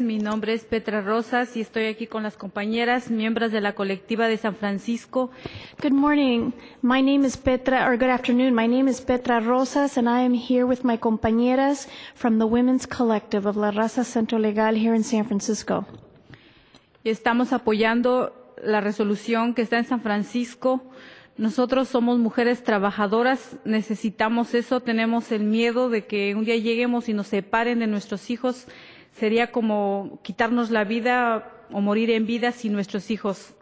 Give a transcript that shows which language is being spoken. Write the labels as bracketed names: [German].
[Spanish] Mi nombre es Petra Rosas y estoy aquí con las compañeras, miembros de la colectiva de San Francisco. [English] Good morning. My name is Petra, or good afternoon. My name is Petra Rosas and I am here with my compañeras from the Women's Collective of La Raza Centro Legal here in San Francisco. [Spanish] Estamos apoyando la resolución que está en San Francisco. Nosotros somos mujeres trabajadoras, necesitamos eso, tenemos el miedo de que un día lleguemos y nos separen de nuestros hijos. Sería como quitarnos la vida o morir en vida sin nuestros hijos.